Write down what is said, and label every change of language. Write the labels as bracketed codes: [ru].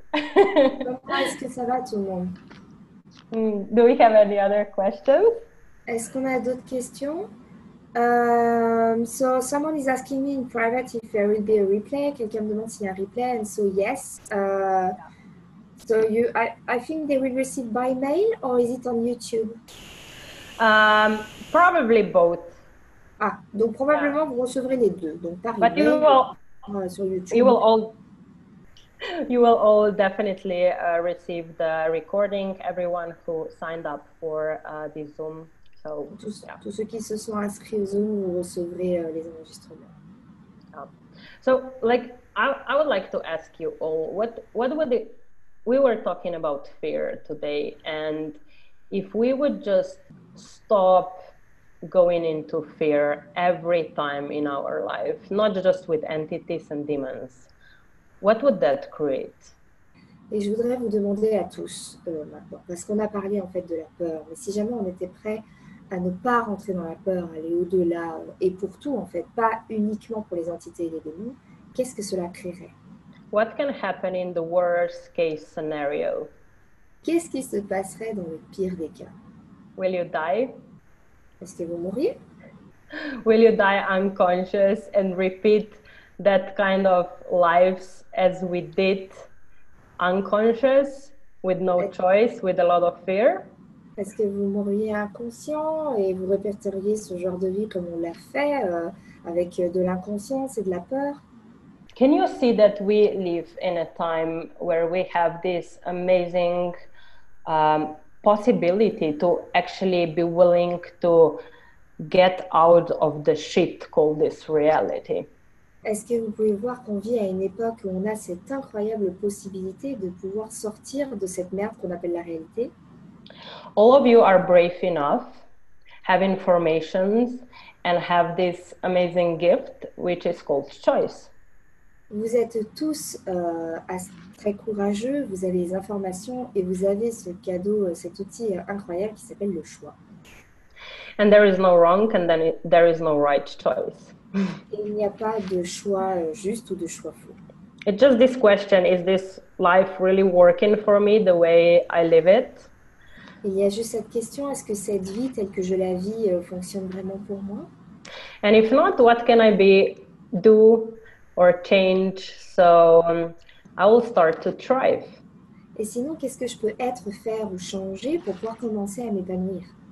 [fr] Est-ce que ça va, tout le monde? [en] Do we have any other questions? [fr] Est-ce qu'on a d'autres questions? [en] So someone is asking me in private if there will be a replay. [fr] Quelqu'un me demande s'il y a un replay. [en] And so yes. So you, I think they will receive by mail, or is it on YouTube? Probably both. [fr] Ah, donc probablement vous recevrez les deux. Donc par email. [en] But you will sur YouTube. You will all definitely receive the recording, everyone who signed up for the Zoom. So, [fr] tous ceux qui se sont inscrits au Zoom, vous recevrez les enregistrements. [en] Yeah. So, like, I would like to ask you all, we were talking about fear today, and if we would just stop going into fear every time in our life, not just with entities and demons, what would that create? [fr] Et je voudrais vous demander à tous, maintenant, parce qu'on a parlé en fait de la peur, mais si jamais on était prêt à ne pas rentrer dans la peur, aller au-delà, et pour tout en fait, pas uniquement pour les entités et les démons, qu'est-ce que cela créerait? [en] What can happen in the worst case scenario? [fr] Qu'est-ce qui se passerait dans le pire des cas? [en] Will you die? [fr] Est-ce que vous mourriez? [en] Will you die unconscious and repeat that kind of lives as we did, unconscious, with no choice, with a lot of fear? [fr] Est-ce que vous mourriez inconscient et vous répéteriez ce genre de vie comme on l'a fait, avec de l'inconscience et de la peur? [en] Can you see that we live in a time where we have this amazing possibility to actually be willing to get out of the shit called this reality? [fr] Est-ce que vous pouvez voir qu'on vit à une époque où on a cette incroyable possibilité de pouvoir sortir de cette merde qu'on appelle la réalité? [en] All of you are brave enough, have information, and have this amazing gift, which is called choice. [fr] Vous êtes tous très courageux, vous avez les informations et vous avez ce cadeau, cet outil incroyable qui s'appelle le choix. [en] And there is no wrong and then there is no right choice. [fr] Il n'y a pas de choix juste ou de choix faux. [en] It's just this question, is this life really working for me the way I live it? [fr] Il y a juste cette question, est-ce que cette vie telle que je la vis fonctionne vraiment pour moi? [en] And if not, what can I be do or change, so I will start to thrive. [fr] Et sinon, qu'est-ce que je peux être, faire ou changer pour pouvoir commencer à m'épanouir?